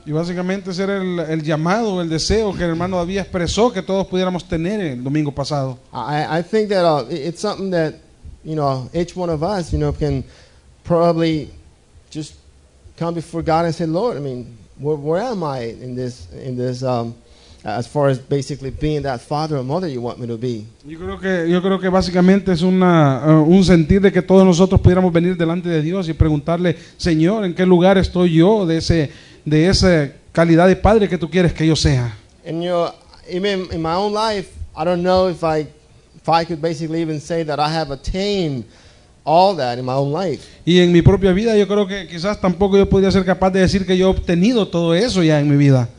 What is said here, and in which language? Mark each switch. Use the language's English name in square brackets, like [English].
[Spanish] Y básicamente ese era el llamado, el deseo que el hermano David expresó que todos pudiéramos tener el domingo pasado. [English] I think that it's something that, you know, each one of us, you know, can probably just come before God and say, Lord, I mean, where am I in this as far as basically being that father or mother you want me to be. [Spanish] Yo creo que básicamente es un sentir de que todos nosotros pudiéramos venir delante de Dios y preguntarle, Señor, ¿en qué lugar estoy yo de esa calidad de padre que tú quieres que yo sea? [English] And you know, even in my own life, I don't know if I could basically even say that I have attained all that in my own life. [Spanish] Y en mi propia vida yo creo que quizás tampoco yo podría ser capaz de decir que yo he obtenido todo eso ya en mi vida.